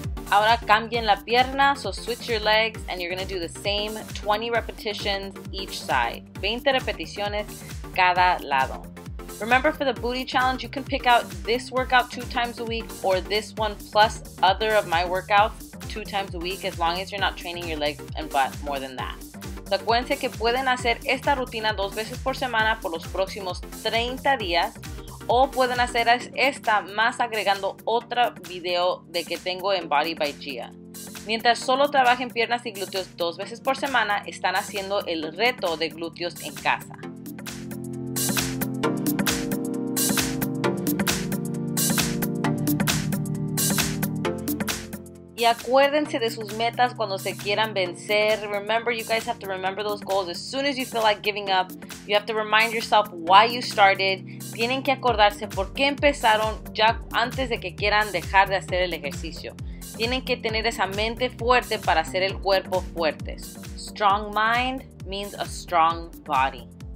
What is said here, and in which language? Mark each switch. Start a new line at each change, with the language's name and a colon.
Spanish: Ahora cambien la pierna,
English: so switch your legs, and you're gonna do the same 20 repetitions each side.
Spanish: 20 repeticiones cada lado.
English: Remember, for the booty challenge, you can pick out this workout 2 times a week or this one plus other of my workouts 2 times a week, as long as you're not training your legs and butt more than that.
Spanish: So, acuérdense que pueden hacer esta rutina 2 veces por semana por los próximos 30 días o pueden hacer esta más agregando otro video de que tengo en Body by Gia. Mientras solo trabajen piernas y glúteos 2 veces por semana, están haciendo el reto de glúteos en casa. Y acuérdense de sus metas cuando se quieran vencer.
English: Remember, you guys have to remember those goals as soon as you feel like giving up. You have to remind yourself why you started.
Spanish: Tienen que acordarse por qué empezaron ya antes de que quieran dejar de hacer el ejercicio. Tienen que tener esa mente fuerte para hacer el cuerpo fuerte.
English: Strong mind means a strong body.